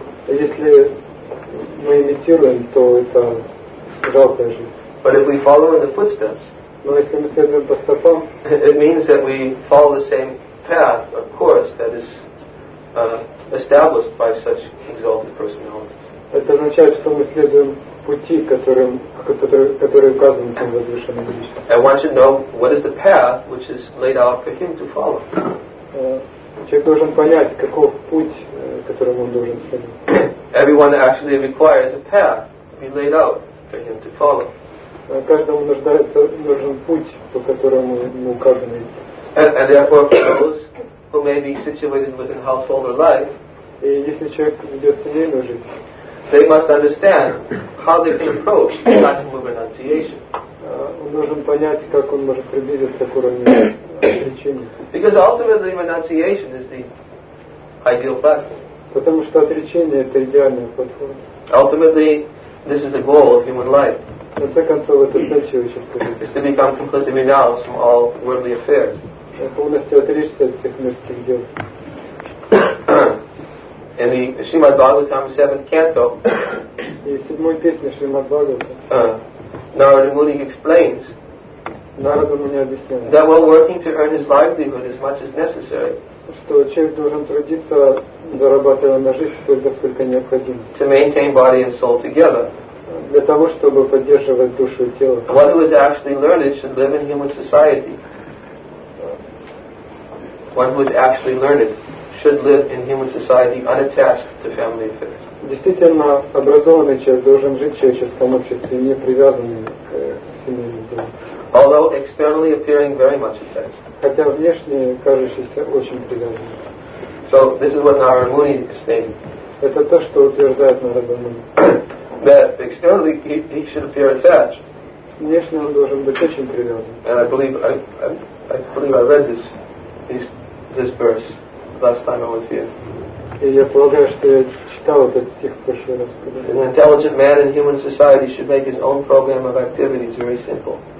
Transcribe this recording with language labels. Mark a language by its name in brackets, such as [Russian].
[Russian] Если мы имитируем, то это жалкая жизнь. [English] But if we follow in the footsteps, [Russian] но если мы следуем по стопам, [English] it means that we follow the same path, of course, that is established by such exalted personalities. [Russian] Это означает, что мы следуем пути, которые указаны тем возвышенным личностям. [English] And one should know what is the path which is laid out for him to follow. [Russian] Человек должен понять, каков путь, которым он должен следовать. [English] Everyone actually requires a path to be laid out for him to follow. [Russian] Каждому нужен путь, по которому ему указано идти. [English] And therefore, for those who may be situated within householder life, [Russian] и если человек ведет семейную жизнь, [English] they must understand how they can approach the practical renunciation. [Russian] Он должен понять, как он может приблизиться к уровню отречения. [English] Because ultimately, renunciation is the ideal platform. [Russian] Потому что отречение — это идеальная платформа. [English] Ultimately, this is the goal of human life. [Russian] В конце концов, это цель человеческой жизни. [English] Is to become completely renounced from all worldly affairs. [Russian] Полностью отречься от всех мирских дел. [English] In the Srimad Bhagavatam 7th canto, [Russian] и в седьмой песне Srimad Bhagavatam, [English] Narada Muni explains, [Russian] Narada Muni объясняет, [English] that while working to earn his livelihood as much as necessary, [Russian] что человек должен трудиться, зарабатывая на жизнь столько, сколько необходимо, [English] to maintain body and soul together, [Russian] для того, чтобы поддерживать душу и тело. [English] One who is actually learned should live in human society. One who is actually learned should live in human society unattached to family affairs. [Russian] Действительно, образованный человек должен жить в человеческом обществе, не привязанный к семейным делам. [English] Although externally appearing very much attached. [Russian] Хотя внешне кажущийся очень привязанным. [English] So this is what Narada Muni is saying. [Russian] Это то, что утверждает Narada Muni. [English] That externally he should appear attached. [Russian] Внешне он должен быть очень привязан. [English] And I believe I read this verse last time I was here. [Russian] И я полагаю, что я читал этот стих в прошлый раз. [English] An intelligent man in human society should make his own program of activities very simple.